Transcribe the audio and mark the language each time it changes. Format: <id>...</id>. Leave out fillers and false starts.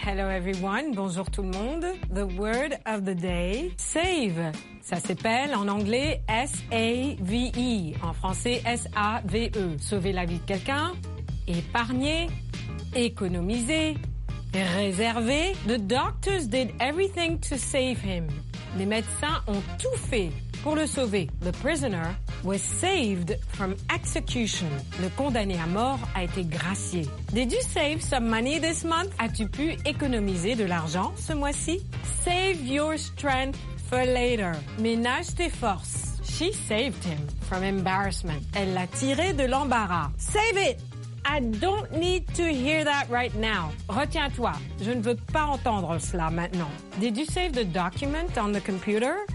<en>Hello, everyone.</en> <fr>Bonjour, tout le monde.</fr> <en>The word of the day, save.</en> <fr>Ça s'appelle en anglais S-A-V-E. En français, S-A-V-E. Sauver la vie de quelqu'un, épargner, économiser, réserver.</fr> <en>The doctors did everything to save him.</en> <fr>Les médecins ont tout fait. Pour le sauver,</fr> <en>the prisoner was saved from execution.</en> <fr>Le condamné à mort a été gracié.</fr> <en>Did you save some money this month?</en> <fr>As-tu pu économiser de l'argent ce mois-ci?</fr> <en>Save your strength for later.</en> <fr>Ménage tes forces.</fr> <en>She saved him from embarrassment.</en> <fr>Elle l'a tiré de l'embarras.</fr> <en>Save it! I don't need to hear that right now.</en> <fr>Retiens-toi, je ne veux pas entendre cela maintenant.</fr> <en>Did you save the document on the computer?</en>